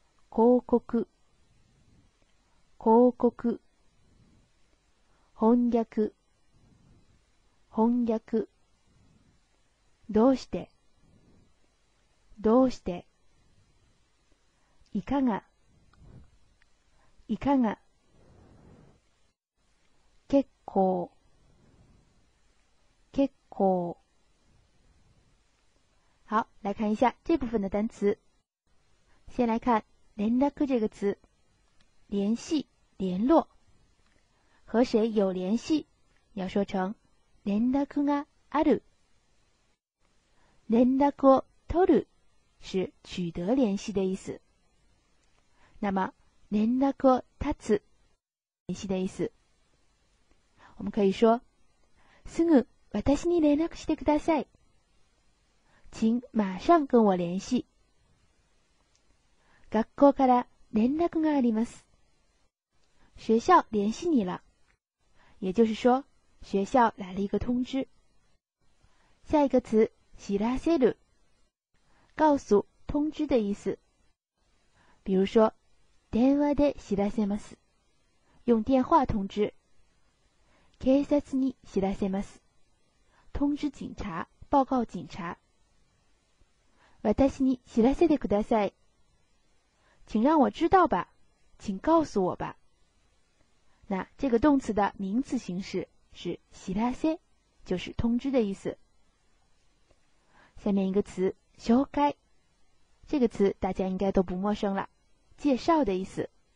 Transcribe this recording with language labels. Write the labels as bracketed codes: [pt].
[ja] 広告広告翻訳翻訳どうしてどうしていかがいかが結構結構 [zh] 好，来看一下这部分的单词。先来看連絡这个词，联系、联络，和谁有联系，要说成 [ja] 連絡がある。連絡を取る [zh] 是取得联系的意思。那么 [ja] 連絡を立つ， [zh] 联系的意思。我们可以说， [ja] すぐ私に連絡してください。 [zh] 请马上跟我联系。 [ja] 学校から連絡があります。 [zh] 学校联系你了。也就是说，学校来了一个通知。下一个词，知らせる，告诉、通知的意思。比如说， [ja] 電話で知らせます， [zh] 用电话通知。 [ja] 警察に知らせます， [zh] 通知警察，报告警察。 [ja] 私に知らせてください。 [zh] 请让我知道吧，请告诉我吧。那这个动词的名词形式是知らせ，就是通知的意思。下面一个词紹介，这个词大家应该都不陌生了，介绍的意思。